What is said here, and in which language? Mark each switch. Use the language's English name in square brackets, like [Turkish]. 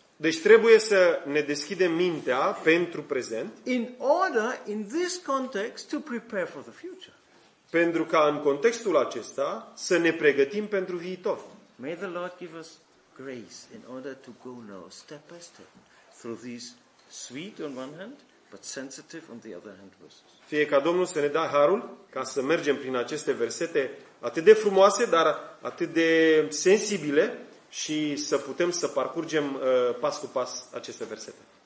[Romanian] Deci trebuie să ne deschidem mintea pentru prezent. [English] In order in this context to prepare for the future. [Romanian] Pentru ca în contextul acesta să ne pregătim pentru viitor. [English] May the Lord give us grace in order to go now step by step through these sweet on one hand but sensitive on the other hand verses. [Romanian] Fie ca Domnul să ne dea harul ca să mergem prin aceste versete atât de frumoase, dar atât de sensibile și să putem să parcurgem pas cu pas aceste versete.